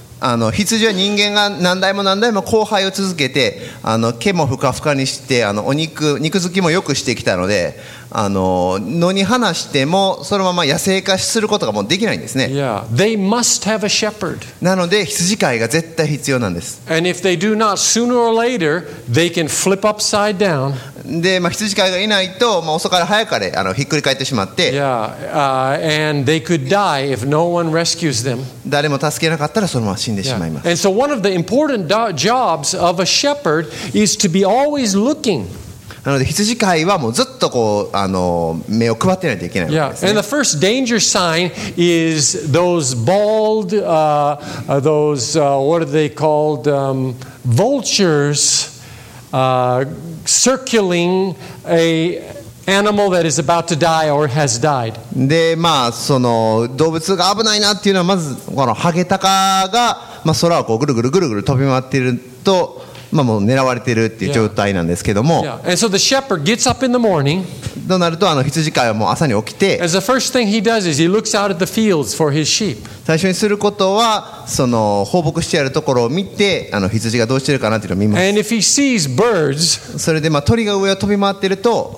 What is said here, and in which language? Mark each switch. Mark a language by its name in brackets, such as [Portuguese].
[Japanese] あの羊は人間が何代も何代も交配を続けてあの毛もふかふかにしてあのお肉肉付きも良くしてきたのであの野に放してもそのまま野生化することがもうできないんですね。 [English] Yeah, they must have a shepherd. [Japanese] なので羊飼いが絶対必要なんです。 [English] And if they do not, sooner or later, they can flip upside down. [Japanese] で、まあ、羊飼いがいないと、まあ、遅かれ早かれあのひっくり返ってしまって [English] Yeah, and they could die if no one rescues them. [Japanese] 誰も助けなかったらそのまま死んでしまいます。 [English] Yeah. And so one of the important jobs of a shepherd is to be always looking. [Japanese] なので羊飼いはもうずっとこうあの目を配ってないといけないわけですね。 [English] And the first danger sign is those bald, those, what are they called, vultures, circling a animal that is about to die or has died. [Japanese] で、まあその動物が危ないなっていうのはまずこのハゲタカが、まあ、空をこうぐるぐるぐるぐる飛び回っていると。まあ、もう狙われているっていう状態なんですけども、 [English] yeah. And so the shepherd gets up in the morning. [Japanese] となるとあの羊飼いはもう朝に起きて [English] As the first thing he does is he looks out at the fields for his sheep. [Japanese] 最初にすることはその放牧してあるところを見てあの羊がどうしてるかなっていうのを見ます。 [English] And if he sees birds, [Japanese] それでまあ鳥が上を飛び回っていると